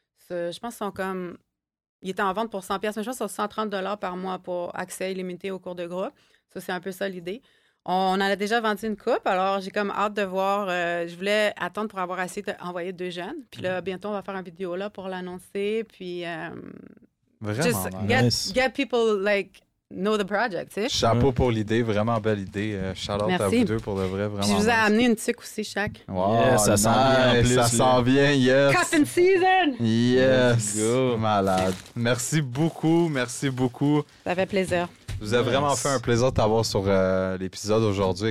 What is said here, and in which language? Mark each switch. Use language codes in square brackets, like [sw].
[fr] So, je pense qu'ils sont comme... Il était en vente pour 100$, mais je pense que c'est 130$ par mois pour accès illimité au cours de groupe. Ça, c'est un peu ça l'idée. On en a déjà vendu une coupe, alors j'ai comme hâte de voir. Je voulais attendre pour avoir assez d'envoyer 2 jeunes. Puis là, bientôt, on va faire une vidéo là pour l'annoncer. Puis. Vraiment. [en] Just get people like know the project, [fr] tu sais. Chapeau pour l'idée, vraiment belle idée. Shout out à vous deux pour le vrai, vraiment. Puis je vous ai amené une tuque aussi, chaque. Wow, yes, ça sent bien. En plus, ça sent bien, yes. [en] Captain Season! Yes. Go. [fr] Malade. Merci beaucoup. Ça fait plaisir. vous avez vraiment fait un plaisir de t'avoir sur l'épisode aujourd'hui.